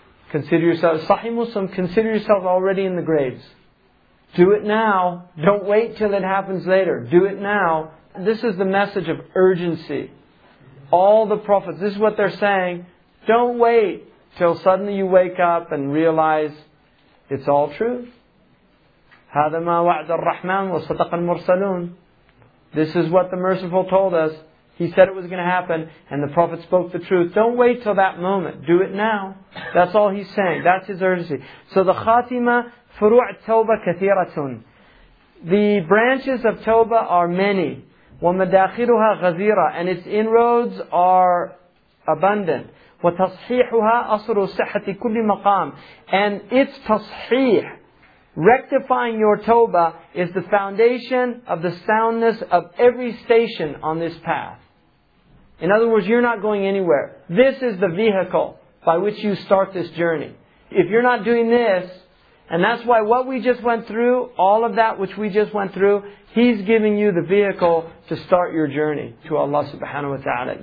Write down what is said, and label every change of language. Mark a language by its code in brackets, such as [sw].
[en] Consider yourself, Sahih Muslim, consider yourself already in the graves. Do it now. Don't wait till it happens later. Do it now. This is the message of urgency. All the prophets, this is what they're saying. Don't wait till suddenly you wake up and realize it's all true. [ar] هذا ما وعد الرحمن وصدق المرسلون. [en] This is what the Merciful told us. He said it was going to happen, and the Prophet spoke the truth. Don't wait till that moment. Do it now. That's all he's saying. That's his urgency. So the [ar] khatima, furu' tawbah kathiratun. [en] The branches of tawbah are many. [ar] ومداخلها غزيرة. [en] And its inroads are abundant. [ar] وتصحيحها أصل صحة كل مقام. [en] And its tasheeh, rectifying your tawbah, is the foundation of the soundness of every station on this path. In other words, you're not going anywhere. This is the vehicle by which you start this journey. If you're not doing this, and that's why what we just went through, all of that which we just went through, he's giving you the vehicle to start your journey to Allah subhanahu wa ta'ala.